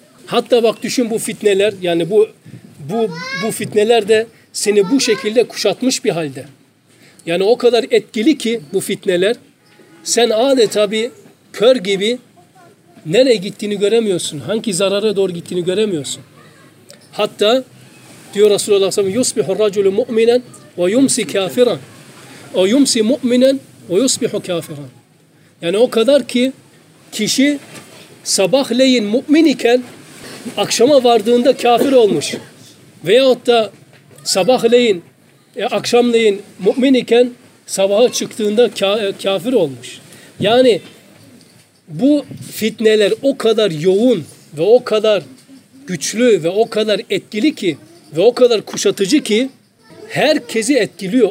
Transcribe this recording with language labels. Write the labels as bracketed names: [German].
[Turkish] Hatta bak düşün bu fitneler, yani bu fitneler de seni bu şekilde kuşatmış bir halde. Yani o kadar etkili ki bu fitneler, sen adeta bir kör gibi nereye gittiğini göremiyorsun, hangi zarara doğru gittiğini göremiyorsun. Hatta diyor Resulullah sallallahu aleyhi ve sellem, [Arabic] يُصْبِحُ الرَّجُلُ مُؤْمِنًا وَيُمْسِي كَافِرًا وَيُمْسِي مُؤْمِنًا وَيُصْبِحُ كَافِرًا. [Turkish] Yani o kadar ki kişi sabahleyin mümin iken akşama vardığında kafir olmuş. Veyahut da sabahleyin, akşamleyin mümin iken sabaha çıktığında kafir olmuş. Yani bu fitneler o kadar yoğun ve o kadar güçlü ve o kadar etkili ki ve o kadar kuşatıcı ki herkesi etkiliyor.